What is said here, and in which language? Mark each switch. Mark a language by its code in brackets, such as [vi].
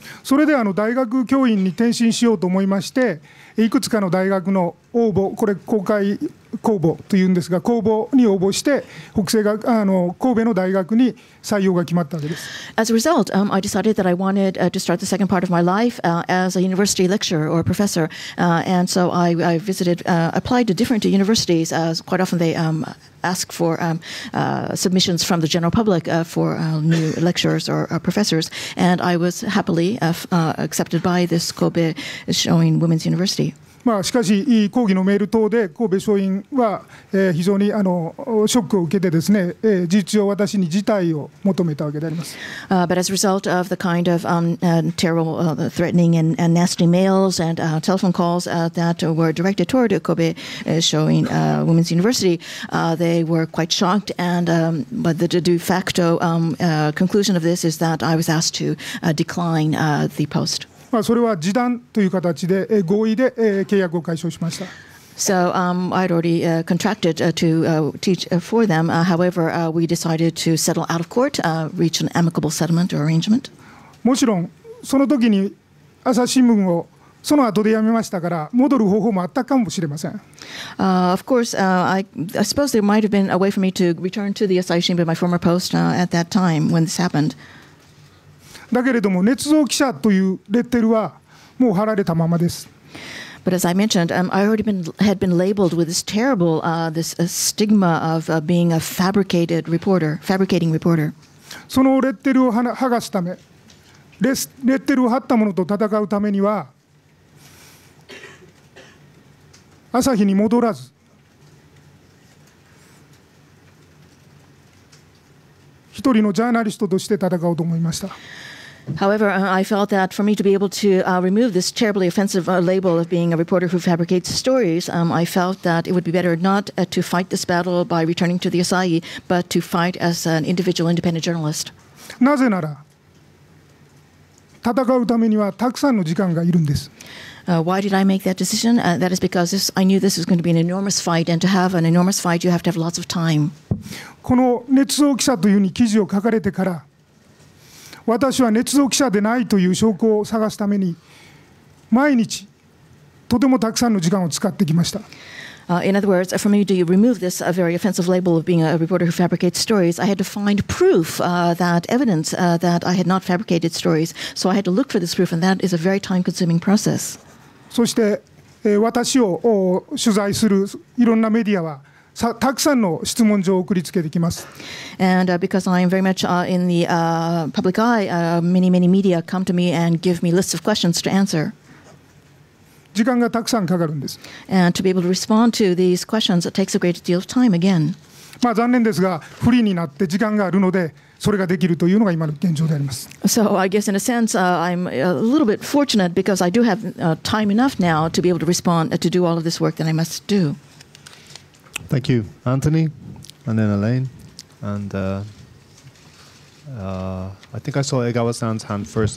[ja] それで大学教員に転身しようと思いまして、いくつかの大学の応募、これ公開公募というんですが、公募に応募して北西があの神戸の大学に採用が決まったわけです。 [en] As a result, I decided that I wanted to start the second part of my life as a university lecturer or professor, and so I visited, applied to different universities. As quite often they ask for submissions from the general public for new lecturers or professors, and I was happily accepted by this Kobe Shoin Women's University. [ja] まあ、しかし抗議のメール等で神戸松陰は非常にあのショックを受けてですね、事実上私に辞退を求めたわけであります。 [en] But as a result of the kind of terrible threatening and nasty mails and telephone calls that were directed toward Kobe Shoin Women's University, they were quite shocked. And but the de facto conclusion of this is that I was asked to decline the post. [ja] まあ、それは示談という形で合意で契約を解消しました。 [en] So, I'd already contracted to teach for them. However, we decided to settle out of court, reach an amicable settlement or arrangement. [ja] もちろん、その時に朝日新聞をその後でやめましたから戻る方法もあったかもしれません。 [en] Of course, I suppose there might have been a way for me to return to the 朝日新聞, my former post, at that time when this happened. [ja] だけれども捏造記者というレッテルはもう貼られたままです。 [en] But as I mentioned, I already had been labeled with this terrible, this stigma of being a fabricated reporter, fabricating reporter. [ja] そのレッテルを剥がすため、レッテルを貼ったものと戦うためには、朝日に戻らず、一人のジャーナリストとして戦おうと思いました。 [en] However, I felt that for me to be able to remove this terribly offensive label of being a reporter who fabricates stories, I felt that it would be better not to fight this battle by returning to the Asahi, but to fight as an individual independent journalist. [ja] なぜなら、戦うためにはたくさんの時間がいるんです。 [en] Why did I make that decision? That is because this, I knew this was going to be an enormous fight, and to have an enormous fight, you have to have lots of time. [ja] この捏造記者というふうに記事を書かれてから、私は捏造記者でないという証拠を探すために毎日とてもたくさんの時間を使ってきました。 [en] In other words, for me to remove this very offensive label of being a reporter who fabricates stories, I had to find proof, that evidence, that I had not fabricated stories. So I had to look for this proof, and that is a very time-consuming process. [ja] そして、私を取材するいろんなメディアはたくさんの質問状を送りつけてきます。 [en] And because I am very much in the public eye, many, many media come to me and give me lists of questions to answer. [ja] 時間がたくさんかかるんです。 [en] And to be able to respond to these questions, it takes a great deal of time again. [ja] まあ残念ですが、フリーになって時間があるので、それができるというのが今の現状であります。 [en] So I guess in a sense, I'm a little bit fortunate because I do have time enough now to be able to respond to do all of this work that I must do. Thank you, Anthony, and then Elaine. And I think I saw Egawa-san's hand first.